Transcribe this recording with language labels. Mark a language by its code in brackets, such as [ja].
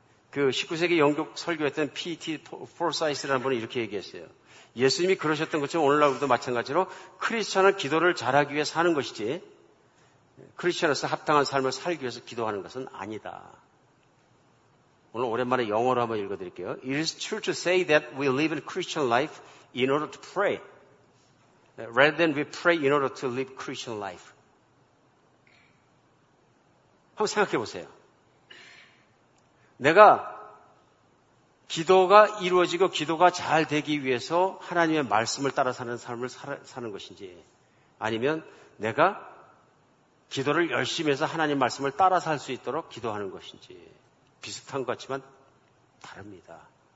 [ko] 그 19세기 영국 설교했던 P.T. Forsyth라는 분은 이렇게 얘기했어요. 예수님이 그러셨던 것처럼 오늘날 우리도 마찬가지로 크리스천은 기도를 잘하기 위해 사는 것이지 크리스천으로서 합당한 삶을 살기 위해서 기도하는 것은 아니다. 오늘 오랜만에 영어로 한번 읽어드릴게요. [en] It is true to say that we live in Christian life in order to pray. Rather than we pray in order to live Christian life. [ko] 한번 생각해 보세요. 내가 기도가 이루어지고 기도가 잘 되기 위해서 하나님의 말씀을 따라 사는 삶을 사는 것인지 아니면 내가 기도를 열심히 해서 하나님 말씀을 따라 살 수 있도록 기도하는 것인지 비슷한 것 같지만 다릅니다.